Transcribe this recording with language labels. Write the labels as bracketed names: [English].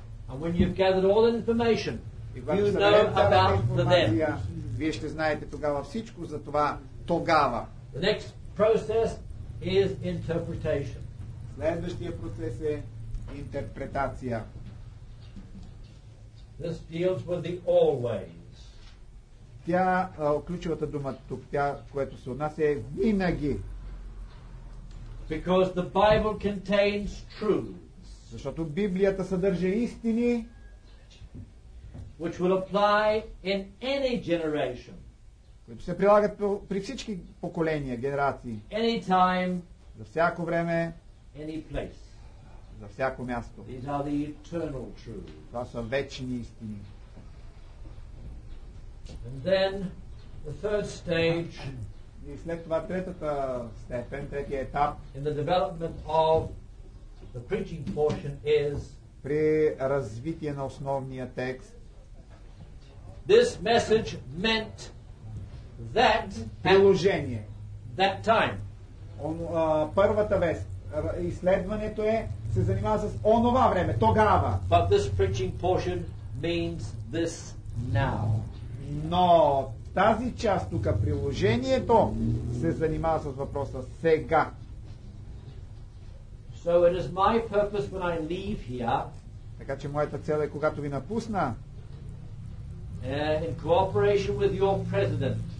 [English] And when you've gathered all the information, you know about the then. [Bulgarian] Вие ще знаете тогава всичко за това тогава. [English] The next process is interpretation. [Bulgarian] Следващия процес е интерпретация. [English] This deals with the always. [Bulgarian] Тя, ключовата дума тук, тя, което се отнася, е винаги. [English] Because the Bible contains truths. [Bulgarian] Защото Библията съдържа истини, [English] which will apply in any generation. [Bulgarian] Които се прилагат при всички поколения, генерации. [English] Any time, [Bulgarian] за всяко време, [English] any place. [Bulgarian] За всяко място. [English] These are the eternal truths. [Bulgarian] Това са вечни истини. [English] And then the third stage. [Bulgarian] И след това третата степен, третия етап [English] in the development of the preaching portion is [Bulgarian] при развитие на основния текст. [English] This message meant that [Bulgarian] приложение. [English] That time. [Bulgarian] Първата вест, изследването е, се занимава с онова време, тогава. [English] But this preaching portion means this now. [Bulgarian] Но тази част тук, приложението, се занимава с въпроса сега. [English] So it is my purpose when I leave here. [Bulgarian] Така че моята цел е, когато ви напусна, [English] In cooperation with your president.